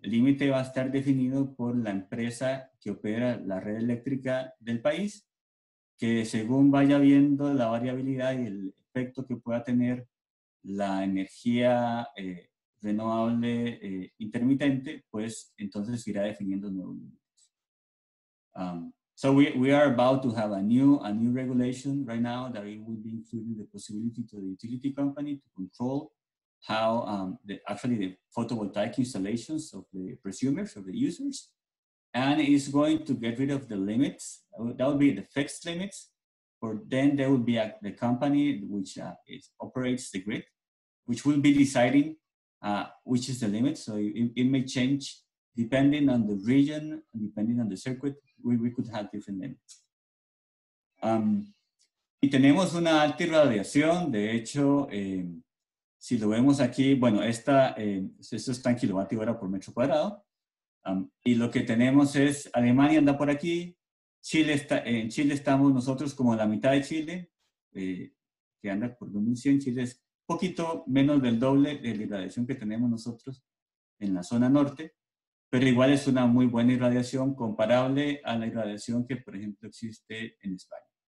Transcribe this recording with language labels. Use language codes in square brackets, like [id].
[es] El límite va a estar definido por la empresa que opera la red eléctrica del país, que según vaya viendo la variabilidad y el efecto que pueda tener la energía renovable intermitente, pues entonces irá definiendo nuevos límites. [en] So we are about to have a new regulation right now that it will be including the possibility to the utility company to control how the photovoltaic installations of the prosumers, of the users, and it's going to get rid of the limits. That would be the fixed limits, or then there would be the company which operates the grid, which will be deciding which is the limit. So it may change depending on the region, depending on the circuit, we could have different limits. [es] Y tenemos una alta irradiación, de hecho, si lo vemos aquí, bueno, esto está en kilovatio hora por metro cuadrado. Y lo que tenemos es, Alemania anda por aquí, Chile está, en Chile estamos nosotros como la mitad de Chile, que anda por 2100, Chile es un poquito menos del doble de la irradiación que tenemos nosotros en la zona norte, pero igual es una muy buena irradiación comparable a la irradiación que, por ejemplo, existe en España.